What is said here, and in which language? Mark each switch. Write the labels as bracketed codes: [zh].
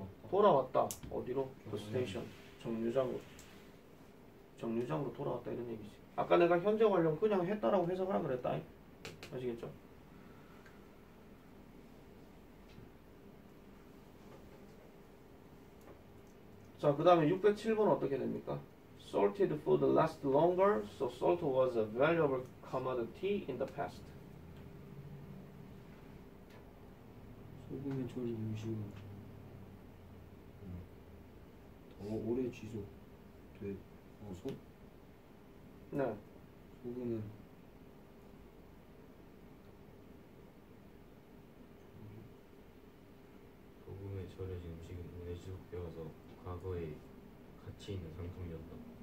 [ko] 돌아왔다. 어디로? 버스테이션. 정류장으로 돌아왔다 이런 얘기지. 아까 내가 현재 완료 그냥 했다라고 해석을 하라 그랬다. 아시겠죠? 자, 그 다음에 607번 어떻게 됩니까? [en] Salted food lasts longer, so salt was a valuable commodity in the past. [ko] 소금에 절인 음식은 더 오래 지속돼서 네. 소금은 소금에 절여진 음식은 오래 지속되어서 과거에 가치 있는 상품이었다.